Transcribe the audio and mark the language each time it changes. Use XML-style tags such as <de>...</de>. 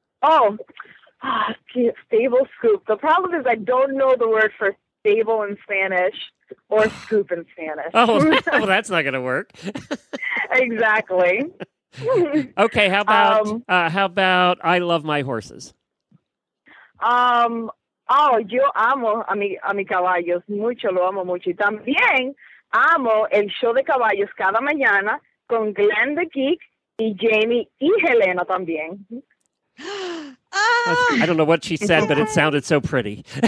<en>Oh, Stable Scoop. The problem is I don't know the word for stable in Spanish or scoop in Spanish. Oh, well, that's not going to work. Exactly. Okay, how about I love my horses?</en> <es>Yo amo a mi caballos mucho, lo amo mucho. Y también amo el show de caballos cada mañana con Glenn the Geek y Jamie y Helena también.</es> <en>I don't know what she said, but it sounded so pretty.</en>